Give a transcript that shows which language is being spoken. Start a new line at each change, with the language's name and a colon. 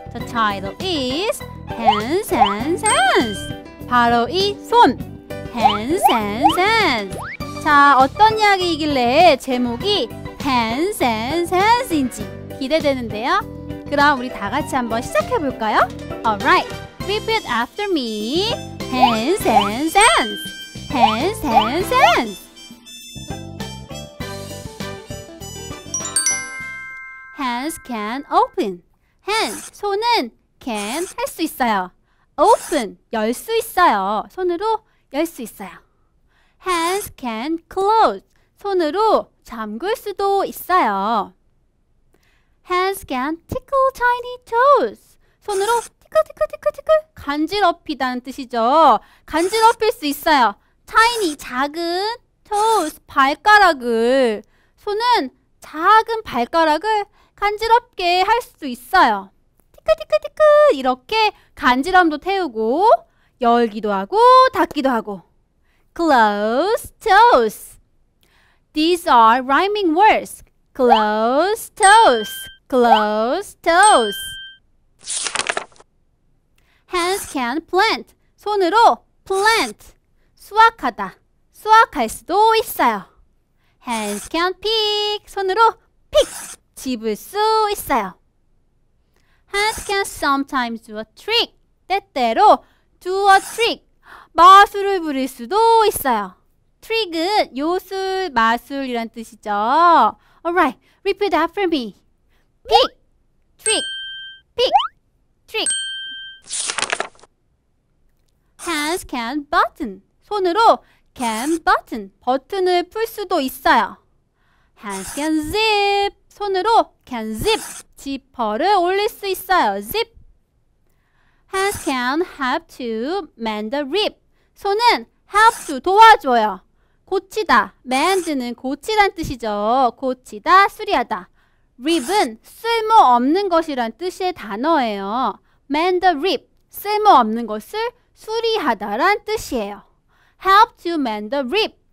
English: The title is Hands, Hands, Hands.
Korean: 바로 이 손.
English: Hands, Hands, Hands.
Korean: 자, 어떤 이야기이길래 제목이 Hands, Hands, Hands인지 기대되는데요. 그럼 우리 다 같이 한번 시작해볼까요?
English: Alright, repeat after me. Hands, Hands, Hands. Hands, hands, hands. Hands can open.
Korean: Hands, 손은 can 할 수 있어요. Open, 열 수 있어요. 손으로 열 수 있어요.
English: Hands can close.
Korean: 손으로 잠글 수도 있어요.
English: Hands can tickle tiny toes. 손으로 tickle, tickle, tickle, tickle.
Korean: 간지럽히다는 뜻이죠. 간지럽힐 수 있어요. Tiny, 작은 toes, 발가락을 손은 작은 발가락을 간지럽게 할 수도 있어요. 티끌티끌티끌 이렇게 간지럼도 태우고 열기도 하고 닫기도 하고
English: Close toes. These are rhyming words. Close toes. Close toes. Hands can plant. 손으로 plant. 수확하다.
Korean: 수확할 수도 있어요.
English: Hands can pick.
Korean: 손으로 pick. 집을 수 있어요.
English: Hands can sometimes do a trick. 때때로 do a trick.
Korean: 마술을 부릴 수도 있어요. Trick은 요술, 마술이란 뜻이죠.
English: Alright, repeat after me. Pick, trick, pick, trick. Hands can button.
Korean: 손으로 can button, 버튼을 풀 수도 있어요.
English: Hands can zip, 손으로 can zip,
Korean: 지퍼를 올릴 수 있어요.
English: Zip. Hands can help to mend a rip. 손은 help to 도와줘요.
Korean: 고치다, mend는 고치란 뜻이죠. 고치다, 수리하다. Rip은 쓸모없는 것이란 뜻의 단어예요. Mend a rip, 쓸모없는 것을 수리하다란 뜻이에요.
English: Help to mend the rip.